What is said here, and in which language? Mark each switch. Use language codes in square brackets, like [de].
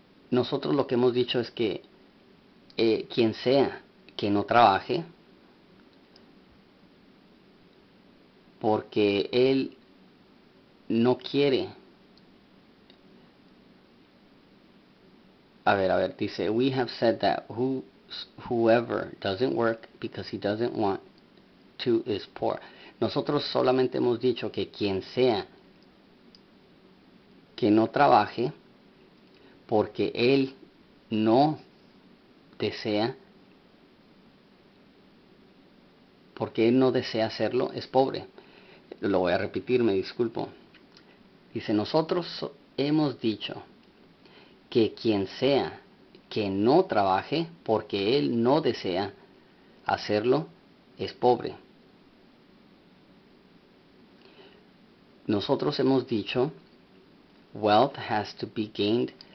[es] Nosotros lo que hemos dicho es que quien sea que no trabaje, porque él no quiere. A ver, dice, [en] we have said that whoever doesn't work because he doesn't want to is poor. [es] Nosotros solamente hemos dicho que quien sea que no trabaje, porque él no desea, porque él no desea hacerlo, es pobre. Lo voy a repetir, me disculpo. Dice, nosotros hemos dicho que quien sea que no trabaje, porque él no desea hacerlo, es pobre. Nosotros hemos dicho, [en] wealth has to be gained.